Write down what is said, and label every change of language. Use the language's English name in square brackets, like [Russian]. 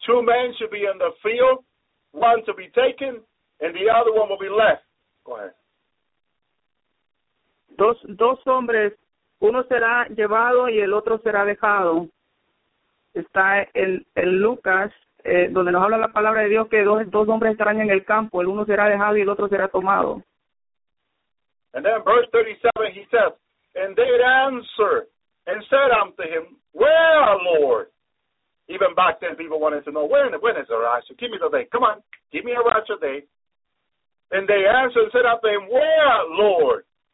[English] Two men should be in the field, one to be taken, and the other one will be left. Go ahead. [Spanish] Dos hombres, uno será llevado y el otro será dejado. Está en Lucas, donde nos habla la palabra de Dios, que dos hombres estarán en el campo. El uno será dejado y el otro será tomado. [English] And then verse 37, he says, and they answered and said unto him, where, Lord? Even back then, people wanted to know, when is the rapture? Give me the day. Come on, give me a rapture day. And they answered and said unto him, where, Lord?